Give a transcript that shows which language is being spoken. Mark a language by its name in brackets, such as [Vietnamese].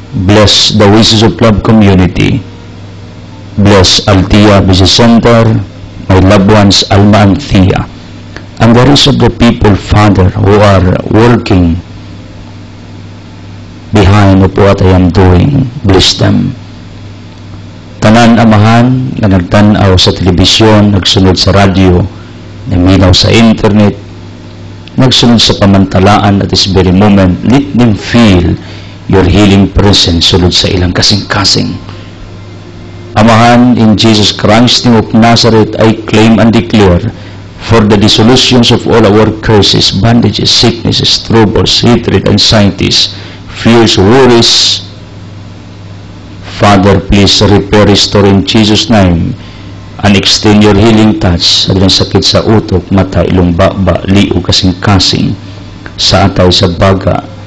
[English] Bless the Wishes of Love community. Bless Althea Business Center, my loved ones, Alma and Thea, and the rest of the people, Father, who are working behind of what I am doing. Bless them. [Cebuano] Tanan Amahan, na nagtanaw sa telebisyon, nagsunod sa radio, naminaw sa internet, nagsunod sa pamantalaan [English] at this very moment, let them feel your healing presence [Cebuano] sulod sa ilang kasing-kasing. [English] Amahan, in Jesus Christ name of Nazareth, I claim and declare for the dissolutions of all our curses, bandages, sicknesses, troubles, hatred, anxieties, fears, worries. Father, please repair, restore in Jesus' name and extend your healing touch [Cebuano] sa ilang sakit sa utok, mata, ilong, baba, liu, kasing-kasing, sa atay, sa baga.